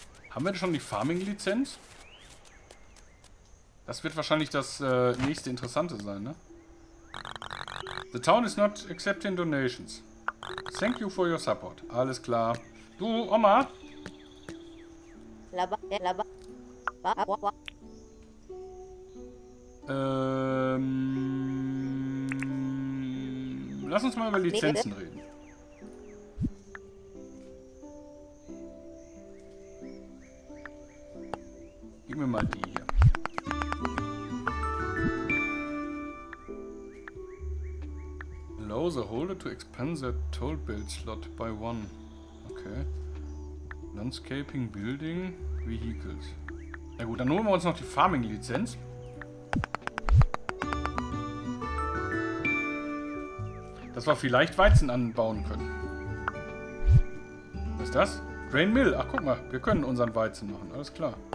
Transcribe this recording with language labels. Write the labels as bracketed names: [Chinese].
[German] Haben wir denn schon die Farming-Lizenz? Das wird wahrscheinlich das nächste Interessante sein, ne? [English] The town is not accepting donations. Thank you for your support. [German] Alles klar. Du, Oma. Lass uns mal über Lizenzen reden. Gib mir mal die. [English] Allow the holder to expand their toll build slot by one. Okay. Landscaping, Building, Vehicles. [German] Na gut, dann holen wir uns noch die Farming-Lizenz. Dass wir vielleicht Weizen anbauen können. Was ist das? Grain Mill. Ach, guck mal, wir können unseren Weizen machen. Alles klar.